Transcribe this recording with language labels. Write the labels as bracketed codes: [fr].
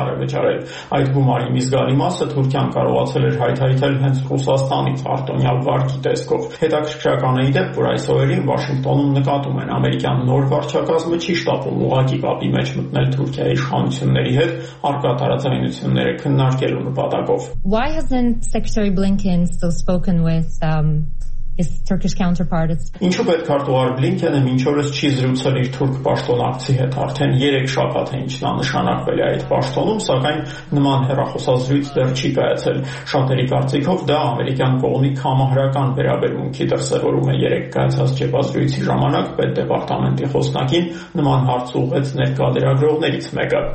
[hy] վճարել, այդ գումարի մի զգալի մասը Թուրքիան կարողացել էր հայթայթել հենց Ռուսաստանից արտոնյալ վարկի տեսքով։ Հետաքրքրական է իդեպ, որ այս օրերին Վաշինգտոնում նկատում են ամերիկյան նոր վարչակազմը չի շտապում ուղղակի կապի մեջ մտնել Թուրքիայի իշխանությունների հետ առկա տարաձայնությունները քննարկելու նպատակով։ [en] Why hasn't Secretary Blinken still spoken with his Turkish counterpart? [hy] Ինչու պետք արտուար Բլինքենը մինչ օրս չի զրուցել իր թուրք պաշտոնակցի հետ, արդեն 3 շաբաթ է ինչ նա նշանակվել է այդ պաշտոնում, սակայն նման հեռախոսազրույց դեռ չի կայացել։ Շատերի կարծիքով դա ամերիկյան կողմի համահրական վերաբերմունքի դրսևորում է, 3 կայացած ճեպազրույցի ժամանակ Պետ դեպարտամենտի խոսնակին նման հարց ուղղեց ներկայացրողներից մեկը։